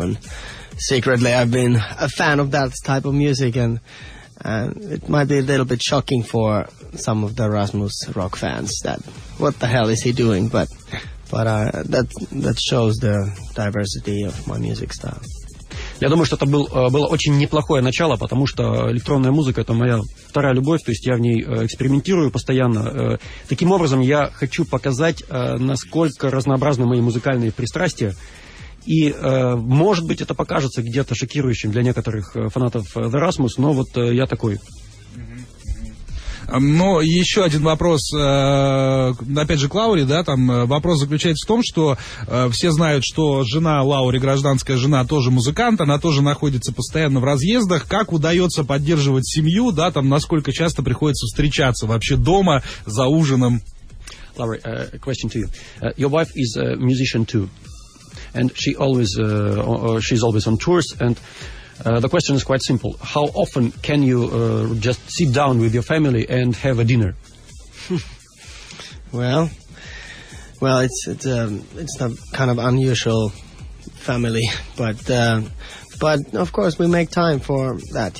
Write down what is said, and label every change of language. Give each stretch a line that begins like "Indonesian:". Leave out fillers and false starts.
English: And secretly, I've been a fan of that type of music. And it might be a little bit shocking for some of the Rasmus rock fans that what the hell is he doing? But that shows the diversity of my music style.
Russian: Я думаю, что это было очень неплохое начало, потому что электронная музыка — это моя вторая любовь, то есть я в ней экспериментирую постоянно. Таким образом, я хочу показать, насколько разнообразны мои музыкальные пристрастия. И, может быть, это покажется где-то шокирующим для некоторых фанатов The Rasmus, но вот я такой. Ну, еще один вопрос, опять же, к Лауре, да, там вопрос заключается в том, что все знают, что жена Лауре, гражданская жена, тоже музыкант, она тоже находится постоянно в разъездах. Как удается поддерживать семью, да, там, насколько часто приходится встречаться вообще дома, за ужином?
English: Лаура, question to you. Your wife is a musician too, and she always, she's always on tours, and... the question is quite simple. How often can you just sit down with your family and have a dinner? Well, it's a kind of unusual family, but of course we make time for that.